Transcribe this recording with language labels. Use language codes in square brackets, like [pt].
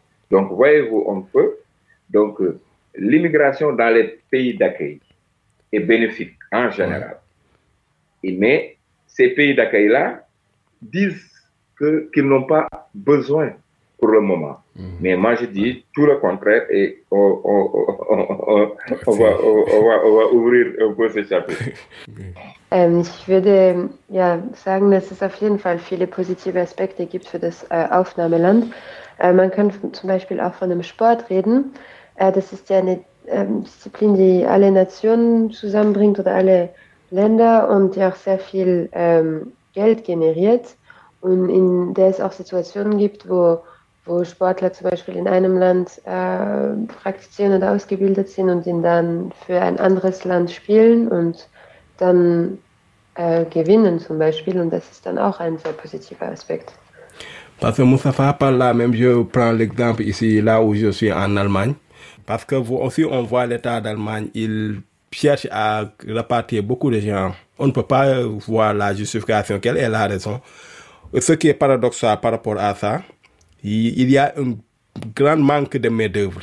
[fr] Donc, voyez-vous, on peut. Donc, l'immigration dans les pays d'accueil est bénéfique en général. Mais ces pays d'accueil-là disent qu'ils n'ont pas besoin pour le moment. Mmh. Mais moi, je dis tout le contraire et on va ouvrir un peu ce chapitre. [de] Ich würde ja sagen, dass es auf jeden Fall viele positive Aspekte gibt für das Aufnahmeland. Man kann zum Beispiel auch von dem Sport reden. Das ist ja eine Disziplin, die alle Nationen zusammenbringt oder alle Länder und die auch sehr viel Geld generiert. Und in der es auch Situationen gibt, wo Sportler zum Beispiel in einem Land praktizieren oder ausgebildet sind und ihn dann für ein anderes Land spielen und dann gewinnen zum Beispiel. Und das ist dann auch ein sehr positiver Aspekt. [fr] Parce que Moustapha parle là, même je prends l'exemple ici, là où je suis en Allemagne. Parce que vous aussi, on voit l'état d'Allemagne, il cherche à répartir beaucoup de gens. On ne peut pas voir la justification, quelle est la raison. Ce qui est paradoxal par rapport à ça, il y a un grand manque de main-d'œuvre.